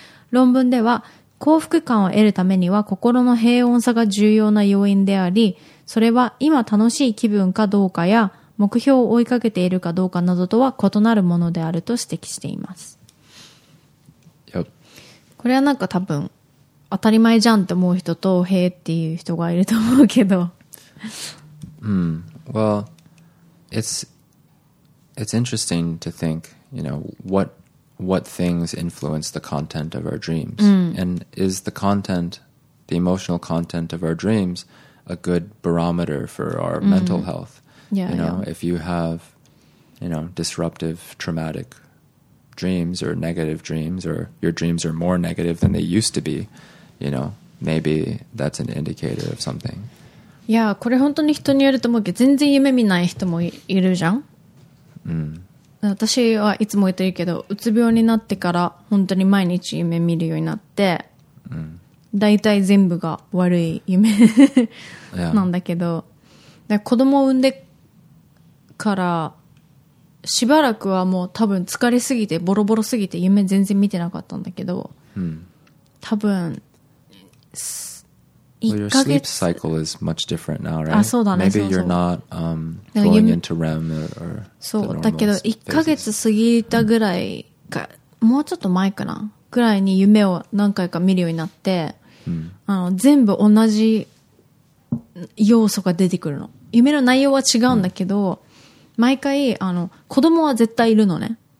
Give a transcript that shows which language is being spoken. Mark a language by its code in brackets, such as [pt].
[ja] 論文では、幸福感を得るためには心の平穏さが重要な要因であり、それは今楽しい気分かどうかや、目標を追いかけているかどうかなどとは異なるものであると指摘しています。 [en] Yep. [ja] これはなんか多分当たり前じゃんって思う人とへーっていう人がいると思うけど。 [en] Well, it's interesting to think, you know, what things influence the content of our dreams. And is the content, the emotional content of our dreams, a good barometer for our mental health? Yeah, you know, yeah. If you have, you know, disruptive, traumatic dreams or negative dreams, or your dreams are more negative than they used to be, you know, maybe that's an indicator of something. [ja] Yeah, これ本当に人によると思うけど、全然夢見ない人もいるじゃん。私はいつも言ってるけど、うつ病になってから本当に毎日夢見るようになって、大体全部が悪い夢なんだけど、で、子供を産んでからしばらくはもう多分疲れすぎてボロボロすぎて夢全然見てなかったんだけど、多分 1ヶ月 [en] Well, your sleep cycle is much different now, right? [ja] あ、そうだね、 [en] Maybe you're not going into REM or [ja] そうだけど1ヶ月過ぎたぐらいか、もうちょっと前かなぐらいに夢を何回か見るようになって、あの全部同じ要素が出てくるの。夢の内容は違うんだけど、毎回あの子供は絶対いるのね。